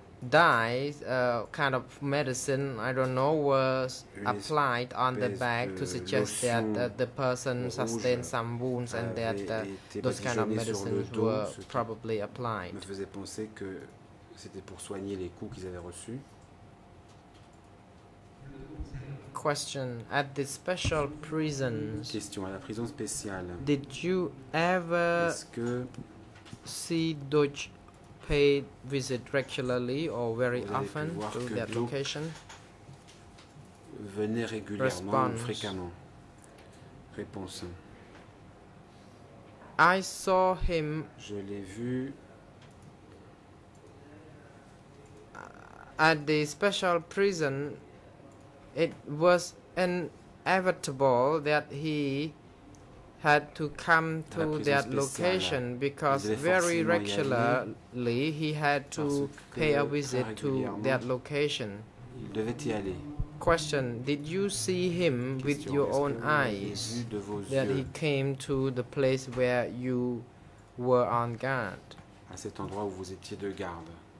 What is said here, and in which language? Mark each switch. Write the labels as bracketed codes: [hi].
[en] dyes, kind of medicine, I don't know, was applied on the back to suggest that the person sustained some wounds and that those kind of medicines were probably applied. [fr] Me faisait penser que c'était pour soigner les coups qu'ils avaient reçus. [en] Question. At the special prisons, [fr] question à la prison spéciale. [en] Did you ever see Deutsch pay visit regularly or very often to that location? [fr] Venait régulièrement, fréquemment. Réponse. [en] I saw him. [fr] Je l'ai vu. [en] At the special prison, it was inevitable that he had to come to that [fr] spéciale, [en] location because very regularly he had to pay a visit to that location. [fr] Il devait y aller. [en] Question. Did you see him [fr] question, [en] with your own eyes that [fr] yeux? [en] He came to the place where you were on guard? [fr] À cet endroit où vous étiez de garde.